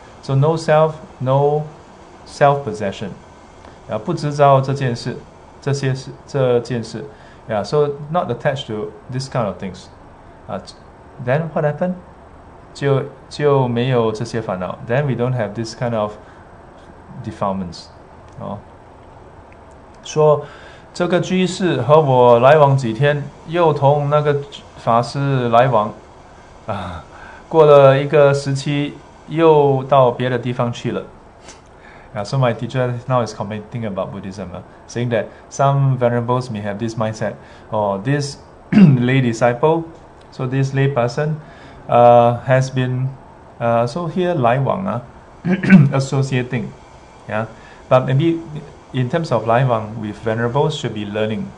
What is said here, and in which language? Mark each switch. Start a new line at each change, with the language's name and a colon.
English: So no self, no self-possession.
Chinese: 不执照这件事, 这件事,
English: yeah, so not attached to this kind of things. Then what happened?
Chinese: 就没有这些烦恼.
English: Then we don't have this kind of defilements.
Chinese: 说, 这个居士和我来往几天,又同那个法师来往, 过了一个时期, 又到别的地方去了.
English: Yeah, so my teacher now is commenting about Buddhism, saying that some venerables may have this mindset, or this lay disciple, so this lay person, has been, so here, 来往, associating, yeah, but maybe in terms of 来往 with venerables should be learning.